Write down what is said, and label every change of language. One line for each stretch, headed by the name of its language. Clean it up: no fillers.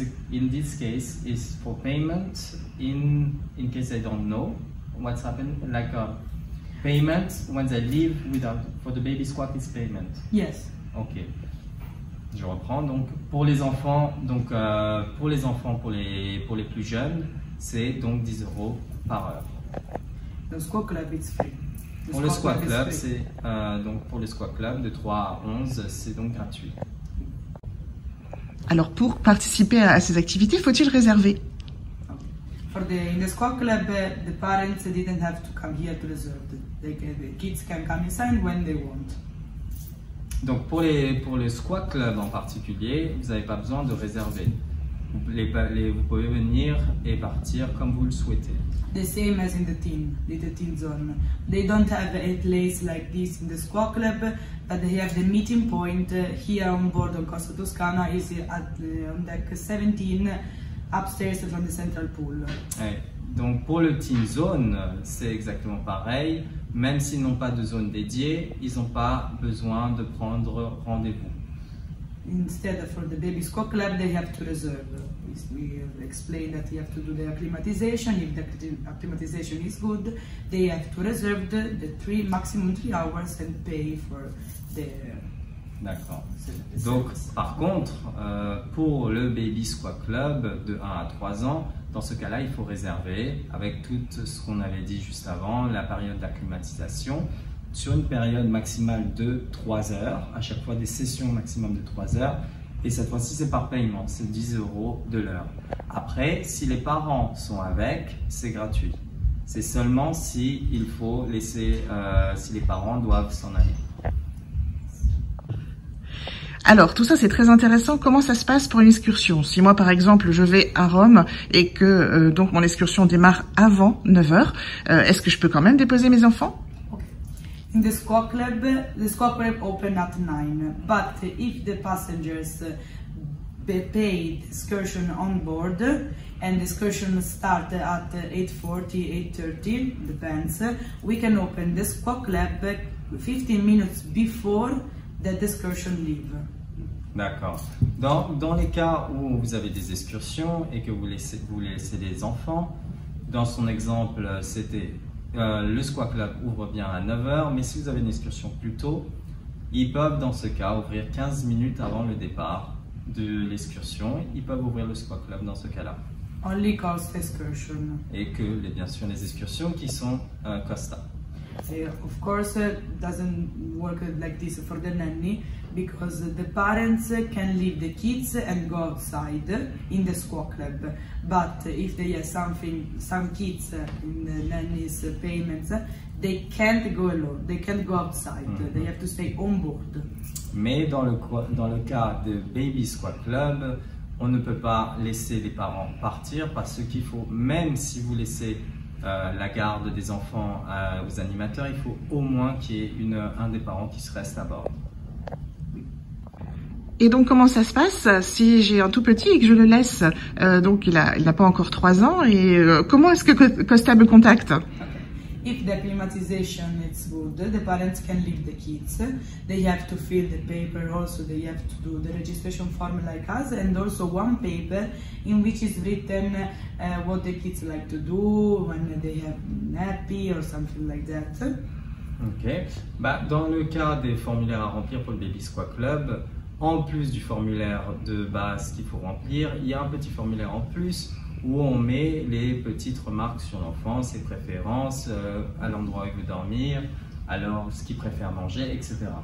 English: In this case, it's for payment. In case I don't know what's happened, like Payment when they leave without for the baby squat is payment. Yes. Ok.
French: Je reprends donc pour les enfants, donc pour les enfants, pour les plus jeunes, c'est donc 10 euros par heure.
English: Le squat club it's free.
French: Pour le squat club, c'est donc pour le squat club de 3 à 11, c'est donc gratuit. Alors pour participer à ces activités, faut-il réserver?
English: For the in the squat club, the parents didn't have to come here to reserve. The kids can come inside when they want.
French: Donc pour les squat club en particulier, vous n'avez pas besoin de réserver. Vous pouvez venir et partir comme vous le souhaitez.
English: The same as in the teen zone. They don't have a place like this in the squat club, but they have the meeting point here on board on Costa Toscana is at on deck 17, upstairs from the central pool.
French: Ouais. Donc pour le teen zone, c'est exactement pareil. Même s'ils n'ont pas de zone dédiée, ils n'ont pas besoin de prendre rendez-vous.
English: Instead for the baby squat club, they have to reserve. We explain that you have to do the acclimatization. If the acclimatization is good, they have to reserve the three, maximum 3 hours and pay for the.
French: D'accord. Donc, par contre, pour le baby squat club de 1 à 3 ans, dans ce cas-là, il faut réserver avec tout ce qu'on avait dit juste avant, la période d'acclimatisation, sur une période maximale de 3 heures, à chaque fois des sessions maximum de 3 heures. Et cette fois-ci, c'est par paiement, c'est 10 euros de l'heure. Après, si les parents sont avec, c'est gratuit. C'est seulement si il faut laisser, si les parents doivent s'en aller. Alors, tout ça, c'est très intéressant. Comment ça se passe pour une excursion? Si moi, par exemple, je vais à Rome et que donc mon excursion démarre avant 9h, est-ce que je peux quand même déposer mes enfants?
English: Okay. In the squat club open at 9. But if the passengers pay excursion on board and the excursion start at 8:40, 8:30, depends, we can open the squat club 15 minutes before the excursion leave.
French: D'accord. Dans les cas où vous avez des excursions et que vous laissez les enfants, dans son exemple, c'était le squat club ouvre bien à 9h, mais si vous avez une excursion plus tôt, ils peuvent dans ce cas ouvrir 15 minutes avant le départ de l'excursion. Ils peuvent ouvrir le squat club dans ce cas-là.
English: Only cost excursion.
French: Et que bien sûr les excursions qui sont Costa.
English: Of course, doesn't work like this for the nanny because the parents can leave the kids and go outside in the squat club. But if they have some kids in the nanny's payments, they can't go alone. They can't go outside. Mm-hmm. They have to stay on board.
French: Mais dans le cas de baby squat club, on ne peut pas laisser les parents partir parce qu'il faut, même si vous laissez la garde des enfants aux animateurs, il faut au moins qu'il y ait un des parents qui se reste à bord. Et donc comment ça se passe si j'ai un tout petit et que je le laisse, donc il n'a pas encore 3 ans, et comment est-ce que Costa me contacte?
English: If the acclimatization is good, the parents can leave the kids. They have to fill the paper also, they have to do the registration form like us and also one paper in which is written what the kids like to do, when they have nappy or something like that. Ok.
French: Bah, dans le cas des formulaires à remplir pour le Baby Squat Club, en plus du formulaire de base qu'il faut remplir, il y a un petit formulaire en plus où on met les petites remarques sur l'enfant, ses préférences, à l'endroit où il veut dormir, alors ce qu'il préfère manger, etc.